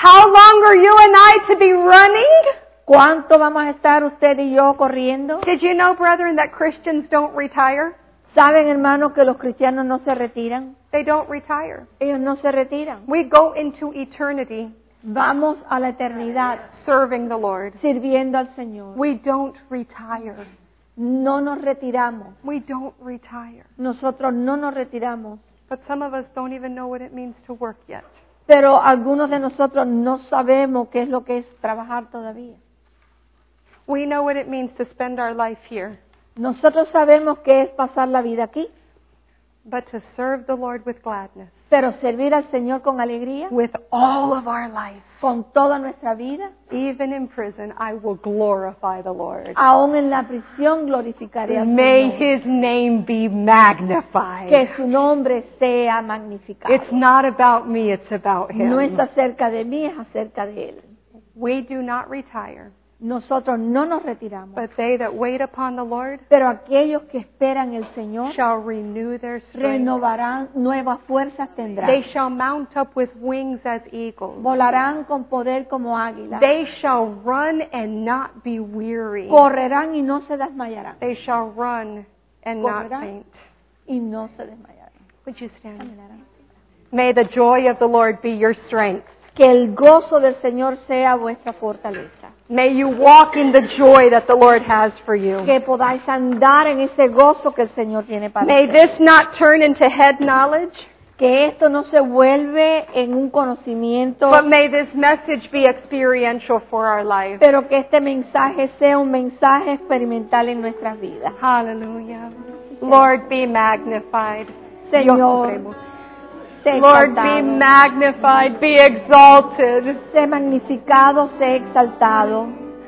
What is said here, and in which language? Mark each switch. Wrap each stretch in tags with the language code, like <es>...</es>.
<en>How long are you and I to be running?</en> <es>¿Cuánto vamos a estar usted y yo corriendo?</es> <en>Did you know, brethren, that Christians don't retire?</en> <es>¿Saben, hermanos, que los cristianos no se retiran?</es> <en>They don't retire.</en> <es>Ellos no se retiran.</es> <en>We go into eternity.</en> <es>Vamos a la eternidad</es> <en>serving the Lord.</en> <es>Sirviendo al Señor.</es> <en>We don't retire.</en> <es>No nos retiramos.</es> <en>We don't retire.</en> <es>Nosotros no nos retiramos.</es> <en>But some of us don't even know what it means to work yet.</en> <es>Pero algunos de nosotros no sabemos qué es lo que es trabajar todavía.</es> <en>We know what it means to spend our life here.</en> <es>Nosotros sabemos qué es pasar la vida aquí.</es> <en>But to serve the Lord with gladness.</en> <es>Pero servir al Señor con alegría.</es> <en>With all of our life.</en> <es>Con toda nuestra vida.</es> <en>Even in prison, I will glorify the Lord.</en> <es>Aún en la prisión glorificaré al Señor.</es> <en>May His name be magnified.</en> <es>Que su nombre sea magnificado.</es> <en>It's not about me, it's about Him.</en> <es>No es acerca de mí, es acerca de Él.</es> <en>We do not retire.</en> <es>Nosotros no nos retiramos.</es> <en>But they that wait upon the Lord,</en> <es>pero aquellos que esperan el Señor,</es> <en>shall renew their strength.</en> <es>Renovarán, nuevas fuerzas tendrán.</es> <en>They shall mount up with wings as eagles.</en> <es>Volarán con poder como águilas.</es> <en>They shall run and not be weary.</en> <es>Correrán y no se desmayarán.</es> <en>They shall run and not faint.</en> <es>Y no se desmayarán.</es> <en>Would you stand?</en> <es>Caminarán.</es> <en>May the joy of the Lord be your strength.</en> <es>Que el gozo del Señor sea vuestra fortaleza.</es> <en>May you walk in the joy that the Lord has for you.</en> <es>Que podáis andar en ese gozo que el Señor tiene para</es> <en>May</en> <es>usted.</es> <en>This not turn into head knowledge.</en> <es>Que esto no se vuelve en un conocimiento.</es> <en>But may this message be experiential for our life.</en> <es>Pero que este mensaje sea un mensaje experimental en nuestras vidas.</es> <en>Hallelujah. Lord, be magnified.</en> <es>Señor.</es> <en>Lord, be magnified, be exalted.</en> <es>Sé magnificado, sé exaltado.</es>